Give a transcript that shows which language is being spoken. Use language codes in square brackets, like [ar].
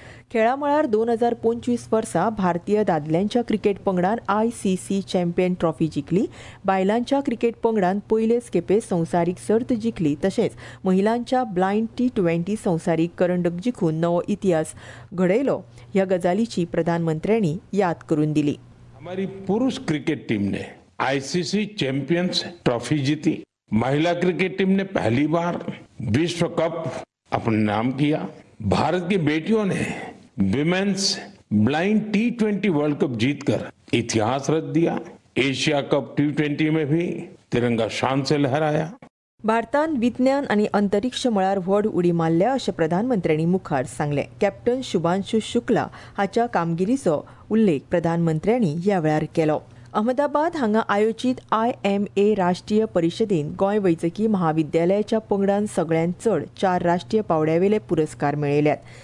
[gom] खेळा मळार 2025 वर्सा भारतीय दादल्यांच्या क्रिकेट पंगडान ICC चॅम्पियन ट्रॉफी जिखली. बायलांच्या क्रिकेट पंगडान पयलेच खेपे संवसारीक सर्त जिखली. तशेंच महिलांच्या ब्लायंड T20 संवसारीक करंडक जिखून नवो इतिहास घडयलो. ह्या गजालीची प्रधानमंत्र्यांनी याद करून दिली. [hi] हमारी पुरुष क्रिकेट टीमने ICC चॅम्पियन्स ट्रॉफी जीती. महिला क्रिकेट टीमने पहली बार विश्व कप अपने नाम किया. भारत की बेटियों ने women's blind T20 world cup जीतकर इतिहास रच दिया. एशिया कप T20 में भी तिरंगा शान से लहराया. [gom] भारतान विज्ञान आणि अंतरिक्ष मळार व्हड उडी मारल्या अशें प्रधानमंत्र्यांनी मुखार सांगले. कॅप्टन शुभांशु शुक्ला हाच्या कामगिरीचो उल्लेख प्रधानमंत्र्यांनी या वेळार केलो. अहमदाबाद हांगा आयोजित IMA राष्ट्रीय परिषदेन गोंय वैजकी महाविद्यालयाच्या पंगडान सगळ्यांत चड 4 राष्ट्रीय पावड्यावेले पुरस्कार मेळयल्यात.